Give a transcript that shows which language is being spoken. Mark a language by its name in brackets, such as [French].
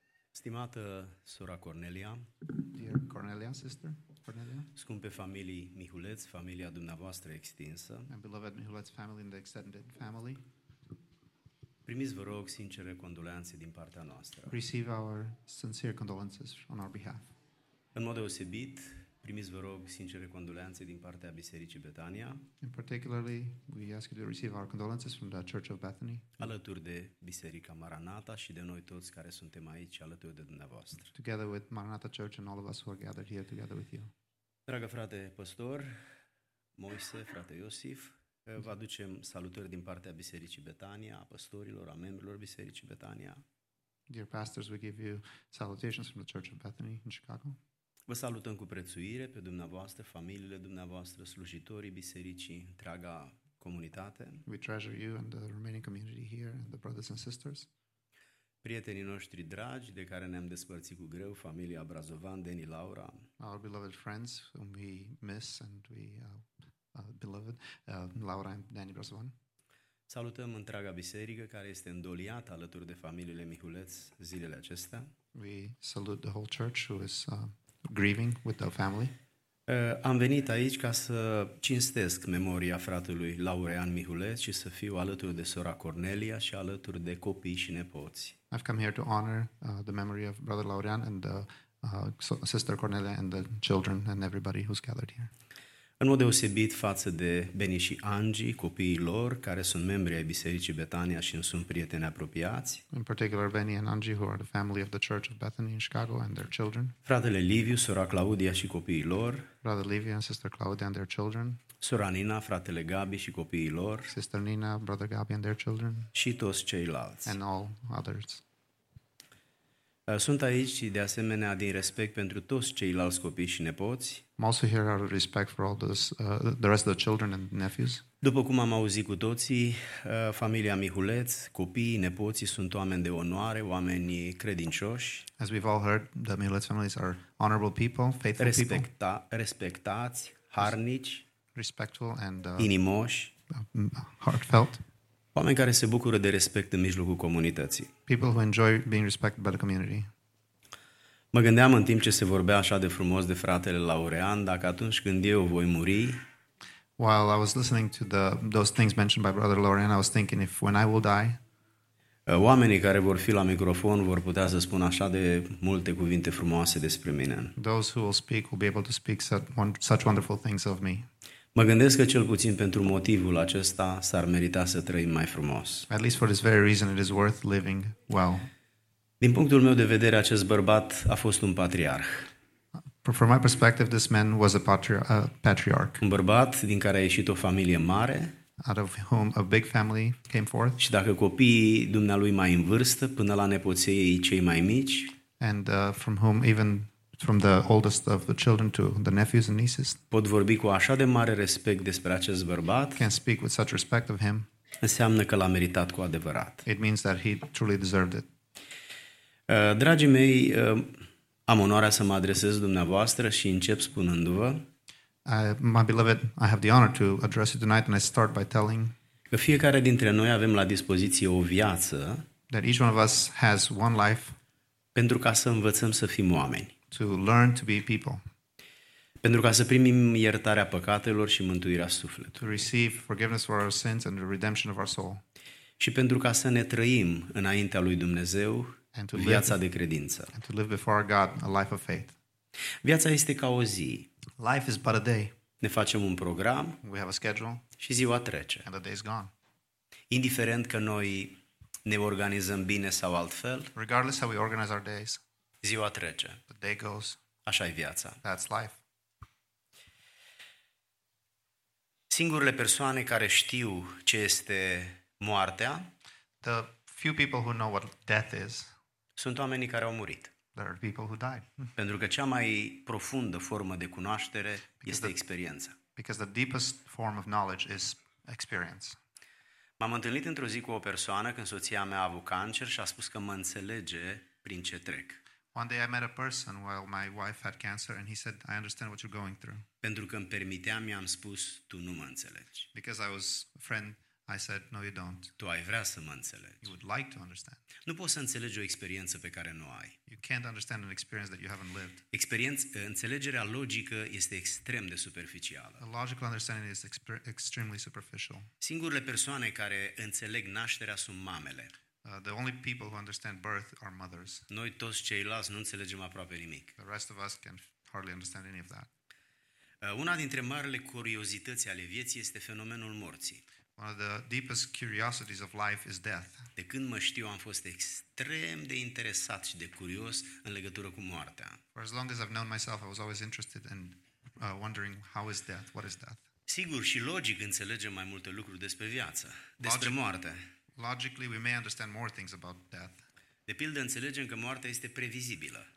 [Romanian] Stimată sora Cornelia. [English] Dear Cornelia, sister Cornelia. [Romanian] Scumpe familii Mihuleț, familia dumneavoastră extinsă. [English] And beloved Mihulet's family and the extended family. [Romanian] Primiți, vă rog, sincere condoleanțe din partea noastră. [English] Receive our sincere condolences on our behalf. [Romanian] În mod deosebit, primiți, vă rog, sincere condoleanțe din partea Bisericii Betania. [English] And particularly, we ask you to receive our condolences from the Church of Bethany. [Romanian] Alături de Biserica Maranata și de noi toți care suntem aici alături de dumneavoastră. [English] Together with Maranata Church and all of us who are gathered here together with you. [Romanian] Dragă frate păstor, Moise, frate Iosif, vă aducem salutări din partea Bisericii Betania, a păstorilor, a membrilor Bisericii Betania. [English] Dear pastors, we give you salutations from the Church of Bethany in Chicago. [Romanian] Vă salutăm cu prețuire pe dumneavoastră, familiile dumneavoastră, slujitorii bisericii, întreaga comunitate. [English] We treasure you and the remaining community here and the brothers and sisters. [Romanian] Prietenii noștri dragi, de care ne-am despărțit cu greu, familia Brazovan, Deni, Laura. [English] Our beloved friends whom we miss and we beloved Laura and Deni Brazovan. [Romanian] Salutăm întreaga biserică care este îndoliată alături de familiile Mihuleț zilele acestea. [English] We salute the whole church who is grieving with the family. [Romanian] Am venit aici ca să cinstesc memoria fratelui Laurean Mihulet și să fiu alături de sora Cornelia și alături de copii și nepoți. [English] I've come here to honor the memory of brother Laurean and the sister Cornelia and the children and everybody who's gathered here. [Romanian] În mod deosebit față de Beni și Angie, copiii lor, care sunt membri ai Bisericii Betania și îmi sunt prieteni apropiați. [English] In particular, Beni and Angie, who are the family of the Church of Bethany in Chicago and their children. [Romanian] Fratele Liviu, sora Claudia și copiii lor. [English] Brother Liviu and sister Claudia and their children. [Romanian] Sora Nina, fratele Gabi și copiii lor. [English] Sister Nina, brother Gabi and their children. [Romanian] Și toți ceilalți. [English] And all others. [Romanian] Sunt aici de asemenea din respect pentru toți ceilalți copii și nepoți. [English] I'm also here out of respect for all those, the rest of the children and nephews. [Romanian] După cum am auzit cu toții, familia Mihuleț, copiii, nepoții sunt oameni de onoare, oameni credincioși. [English] As we've all heard, the Mihuleț families are honorable people, faithful people. [Romanian] Respectați, harnici, [English] respectful and [Romanian] inimoși, [English] heartfelt. [Romanian] Oameni care se bucură de respect în mijlocul comunității. [English] People who enjoy being respected by the community. [Romanian] Mă gândeam în timp ce se vorbea așa de frumos de fratele Laurean, dacă atunci când eu voi muri. [English] While I was listening to those things mentioned by brother Laurean, I was thinking if when I will die. [Romanian] Oamenii care vor fi la microfon vor putea să spună așa de multe cuvinte frumoase despre mine. [English] Those who will speak will be able to speak such wonderful things of me. [Romanian] Mă gândesc că cel puțin pentru motivul acesta s-ar merita să trăim mai frumos. [English] At least for this very reason it is worth living well. [Romanian] Din punctul meu de vedere, acest bărbat a fost un patriarh. [English] From my perspective, this man was a patriarch. [Romanian] Un bărbat din care a ieșit o familie mare. [English] Out of whom a big family came forth. [Romanian] Și dacă copiii dumnealui mai în vârstă, până la nepoții cei mai mici. [English] And from whom even from the oldest of the children to the nephews and nieces. [Romanian] Pot vorbi cu așa de mare respect despre acest bărbat. [English] Can speak with such respect of him. [Romanian] Înseamnă că l-a meritat cu adevărat. [English] It means that he truly deserved it. [Romanian] Dragii mei, am onoarea să mă adresez dumneavoastră și încep spunându-vă. [English] My beloved, I have the honor to address you tonight and I start by telling [Romanian] că fiecare dintre noi avem la dispoziție o viață. [English] That each one of us has one life. [Romanian] Pentru ca să învățăm să fim oameni. [English] To learn to be people. [Romanian] Pentru ca să primim iertarea păcatelor și mântuirea sufletului. [English] To receive forgiveness for our sins and the redemption of our soul. [Romanian] Și pentru ca să ne trăim înaintea lui Dumnezeu viața de credință. [English] And to live before God a life of faith. [Romanian] Viața este ca o zi. [English] Life is but a day. [Romanian] Ne facem un program. [English] We have a schedule. [Romanian] Și ziua trece. [English] And the day is gone. [Romanian] Indiferent că noi ne organizăm bine sau altfel. [English] Regardless how we organize our days. [Romanian] Ziua trece. [English] The day goes. [Romanian] Așa e viața. [English] That's life. [Romanian] Singurele persoane care știu ce este moartea, [English] the few people who know what death is, [Romanian] sunt oamenii care au murit. [English] There are people who died. [Romanian] Pentru că cea mai profundă formă de cunoaștere este experiența. [English] Because the deepest form of knowledge is experience. [Romanian] M-am întâlnit într-o zi cu o persoană când soția mea a avut cancer și a spus că mă înțelege prin ce trec. [English] One day I met a person while my wife had cancer and he said, I understand what you're going through. [Romanian] Pentru că îmi permiteam, i-am spus, tu nu mă înțelegi. [English] Because I was a friend, I said, no, you don't. [Romanian] Tu ai vrea să mă înțelegi. [English] You would like to understand. [Romanian] Nu poți să înțelegi o experiență pe care nu o ai. [English] You can't understand an experience that you haven't lived. [Romanian] Înțelegerea logică este extrem de superficială. [English] A logical understanding is extremely superficial. [Romanian] Singurele persoane care înțeleg nașterea sunt mamele. [English] The only people who understand birth are mothers. [Romanian] Noi toți ceilalți nu înțelegem aproape nimic. [English] The rest of us can hardly understand any of that. [Romanian] Una dintre marile curiozități ale vieții este fenomenul morții. [English] One of the deepest curiosities of life is death. [Romanian] De când mă știu, am fost extrem de interesat și de curios în legătură cu moartea. [English] For as long as I've known myself, I was always interested in wondering how is death, what is death. [Romanian] Sigur și logic înțelegem mai multe lucruri despre viață, despre moarte. [English] Logically, we may understand more things about death. [Romanian] De pildă, înțelegem că moartea este previzibilă.